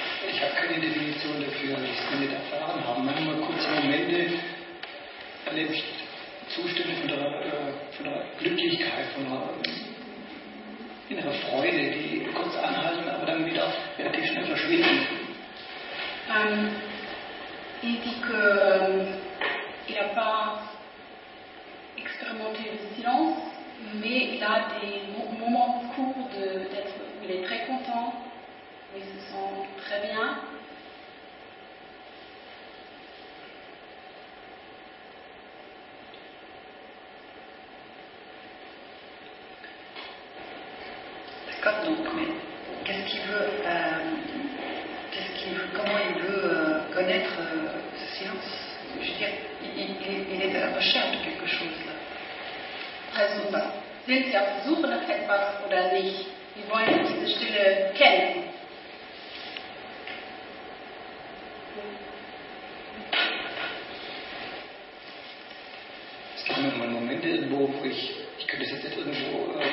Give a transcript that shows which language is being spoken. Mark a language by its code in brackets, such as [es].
[de] Ich habe keine Definition dafür, weil ich es nicht erfahren habe. Manchmal kurze Momente. Erlebe ich Zustände von der Glücklichkeit, von der inneren Freude, die kurz anhalten, aber dann wieder relativ schnell verschwinden. [fr] Il dit que il n'a pas expérimenté le silence, mais il a des moments courts d'être où il est très content, où il se sent très bien. Donc, mais qu'est-ce qu'il veut, comment il veut connaître ce silence? Je veux dire, il est à la recherche de quelque chose là. [de] Also, sind Sie auf der Suche nach etwas oder nicht? Wir wollen diese Stille kennen. Es gibt immer mal Momente, wo ich könnte es jetzt irgendwo.